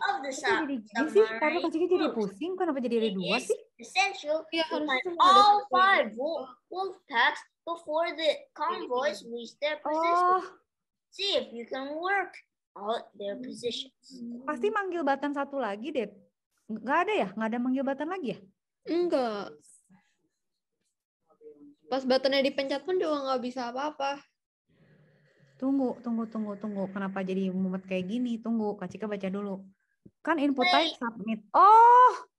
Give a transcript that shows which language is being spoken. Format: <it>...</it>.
<en>Of the sub-submarine</en> <id>sih, karena kecilnya jadi pusing, kenapa jadi ada dua sih?</id> <en>It is essential to find all five wolf packs before the convoys reach their positions. See if you can work out their positions.</en> <id>Pasti manggil Batan satu lagi, Deb. Nggak ada ya? Nggak ada manggil Batan lagi ya? Enggak. Pas Batannya dipencet pun juga nggak bisa apa-apa. Tunggu, tunggu, tunggu, tunggu. Kenapa jadi mumet kayak gini? Tunggu, Kak Cika baca dulu. Kan input type submit. Oh!</id>